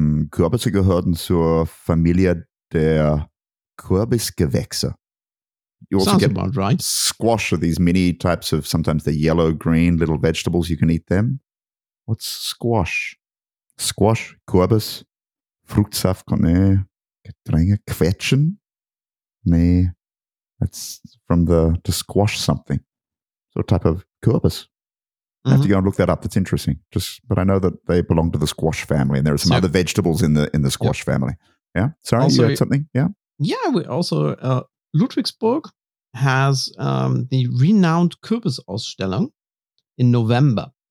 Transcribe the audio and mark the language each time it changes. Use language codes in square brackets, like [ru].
[de] Kürbisse gehören zur Familie der Kürbisgewächse. [en] Sounds about right. Squash are these mini types of, sometimes they're yellow, green, little vegetables. You can eat them. What's squash? [de] Squash, Kürbis, Fruchtsaft, Getränge, Quetschen? [en] Nee, that's from to squash something. So a type of Kürbis. I have to go and look that up. That's interesting. But I know that they belong to the squash family, and there are some other vegetables in the squash family. Yeah? Sorry, also, you had something? Yeah? Yeah, we also, Ludwigsburg has the renowned Kürbis-Ausstellung in November.